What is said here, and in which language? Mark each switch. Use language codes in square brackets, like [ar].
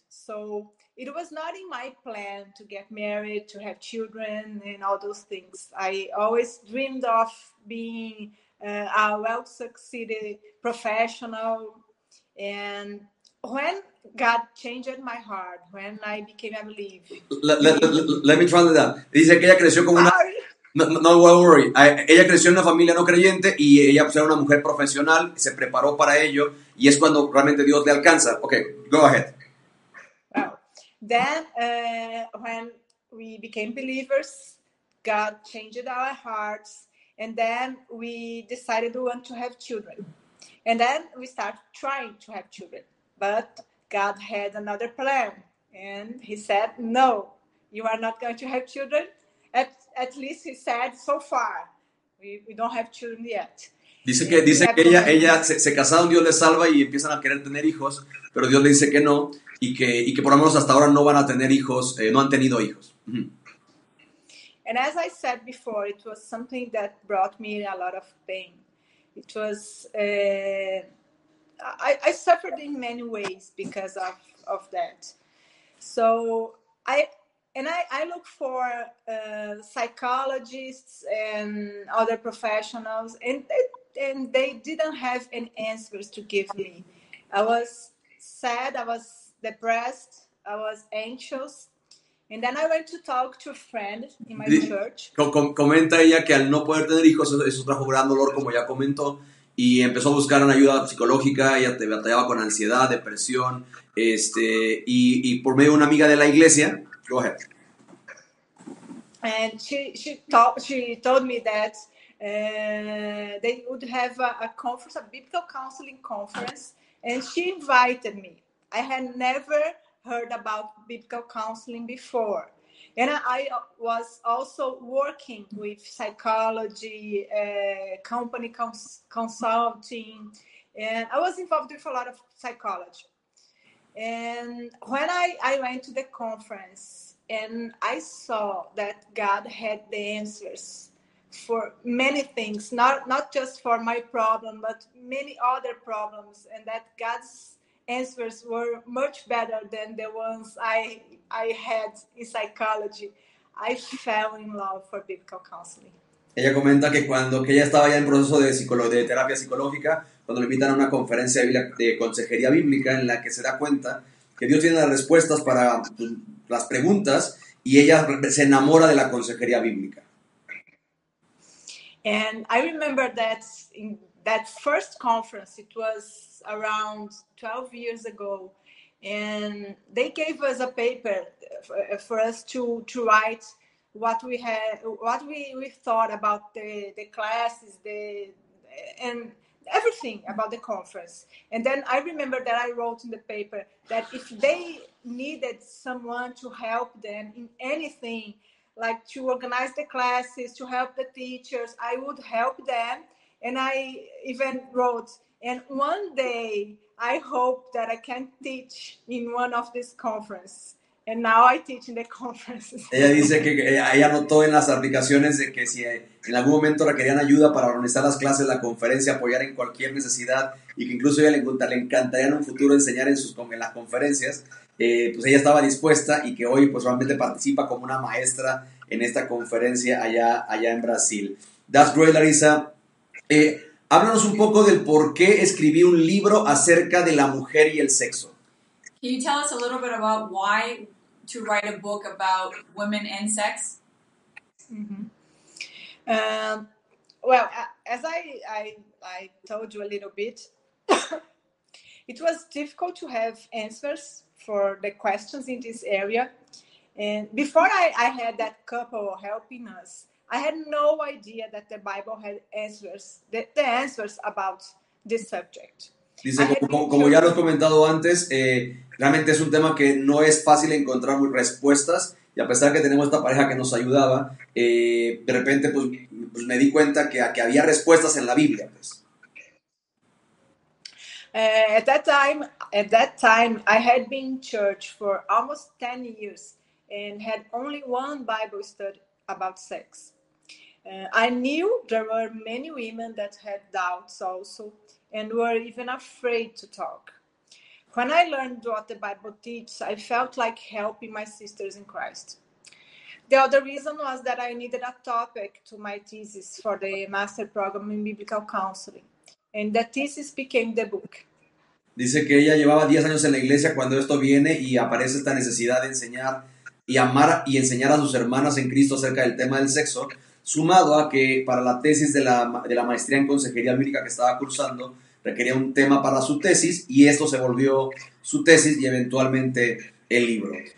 [en] So it was not in my plan to get married, to have children and all those things. I always dreamed of being a well-succeeded professional. And when God changed my heart, when I became a believer. Let me translate that. [es] Dice que ella creció como una... Ella creció en una familia no creyente y ella era una mujer profesional, se preparó para ello y es cuando realmente Dios le alcanza. [en] Okay, go ahead. Well, then when we became believers, God changed our hearts and then we decided we want to have children. And then we started trying to have children. But God had another plan and he said, no, you are not going to have children. At least he said so far. We don't have children yet. [es] Dice que ella se casaron, Dios les salva y empiezan a querer tener hijos, pero Dios le dice que no y que por lo menos hasta ahora no van a tener hijos, no han tenido hijos. Mm-hmm. [en] And as I said before, it was something that brought me a lot of pain. It was I suffered in many ways because of that. So I look for psychologists and other professionals, and they didn't have any answers to give me. I was sad, I was depressed, I was anxious, and then I went to talk to a friend in my church. [es] Comenta ella que al no poder tener hijos, eso trajo gran dolor, como ya comentó, y empezó a buscar una ayuda psicológica. Ella te batallaba con ansiedad, depresión, y por medio de una amiga de la iglesia. [en] Go ahead. And she told me that they would have a conference, a biblical counseling conference, and she invited me. I had never heard about biblical counseling before. And I was also working with psychology, company consulting, and I was involved with a lot of psychology. And when I went to the conference and I saw that God had the answers for many things, not just for my problem, but many other problems, and that God's answers were much better than the ones I had in psychology, I fell in love for biblical counseling. [es] Ella comenta que cuando que ella estaba ya en proceso de terapia psicológica, cuando le invitan a una conferencia de consejería bíblica, en la que se da cuenta que Dios tiene las respuestas para las preguntas, y ella se enamora de la consejería bíblica. [en] And I remember that in that first conference, it was around 12 years ago, and they gave us a paper for us to write what we had, what we thought about the classes, and everything about the conference. And then I remember that I wrote in the paper that if they needed someone to help them in anything, like to organize the classes, to help the teachers, I would help them. And I even wrote, and one day I hope that I can teach in one of these conferences. And now I teach in the conferences. [es] Ella dice que ella anotó en las aplicaciones de que si en algún momento requerían ayuda para organizar las clases, la conferencia, apoyar en cualquier necesidad, y que incluso ella le encantaría en un futuro enseñar en las conferencias, pues ella estaba dispuesta, y que hoy pues realmente participa como una maestra en esta conferencia allá en Brasil. [en] That's great, [es] Larissa. Háblanos un poco del por qué escribí un libro acerca de la mujer y el sexo. [en] Can you tell us a little bit about why to write a book about women and sex? Mm-hmm. Well, as I told you a little bit, it was difficult to have answers for the questions in this area. And before I had that couple helping us, I had no idea that the Bible had answers, the answers about this subject. [es] Dice, como ya lo he comentado antes, realmente es un tema que no es fácil encontrar respuestas, y a pesar que tenemos esta pareja que nos ayudaba, de repente pues me di cuenta que había respuestas en la Biblia, pues. [en] At that time, I had been in church for almost 10 years and had only one Bible study about sex. I knew there were many women that had doubts also and were even afraid to talk. When I learned what the Bible teaches, I felt like helping my sisters in Christ. The other reason was that I needed a topic to my thesis for the master program in biblical counseling. And the thesis became the book. [es] Dice que ella llevaba 10 años en la iglesia cuando esto viene y aparece esta necesidad de enseñar y amar y enseñar a sus hermanas en Cristo acerca del tema del sexo, sumado a que para la tesis de la maestría en consejería bíblica que estaba cursando, requería un tema para su tesis, y esto se volvió su tesis y eventualmente el libro.